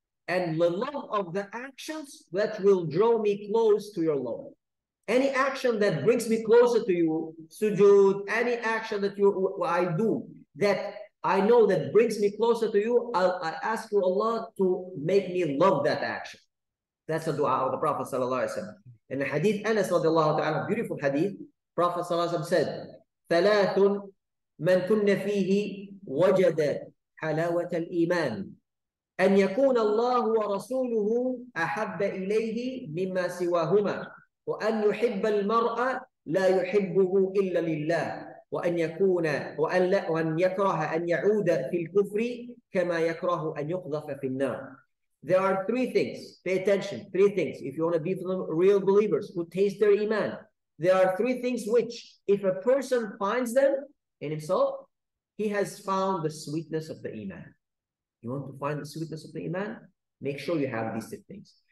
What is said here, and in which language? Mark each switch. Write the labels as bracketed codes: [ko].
[en] And the love of the actions that will draw me close to your love. Any action that brings me closer to you, sujood, any action that you I do, that I know that brings me closer to you, I ask you Allah to make me love that action. That's a dua of the Prophet sallallahu alaihi wasallam. In the hadith Anas radiallahu ta'ala, beautiful hadith, Prophet sallallahu alaihi wasallam said, [ar] ثَلَاثٌ مَنْ كُنَّ فِيهِ وَجَدَ حَلَاوَةَ الْإِيمَانِ أَنْ يَكُونَ اللَّهُ وَرَسُولُهُ أَحَبَّ إِلَيْهِ مِمَّا سِوَاهُمَا وَأَنْ يُحِبَّ الْمَرْأَ لَا يُحِبُّهُ إِلَّا لِلَّهِ وأن يكون وأن لا وأن يكره أن يعود في الكفر كما يكره أن يقذف في النار. [en] There are three things. Pay attention. Three things. If you want to be from real believers who taste their iman, there are three things which, if a person finds them in himself, he has found the sweetness of the iman. You want to find the sweetness of the iman? Make sure you have these three things.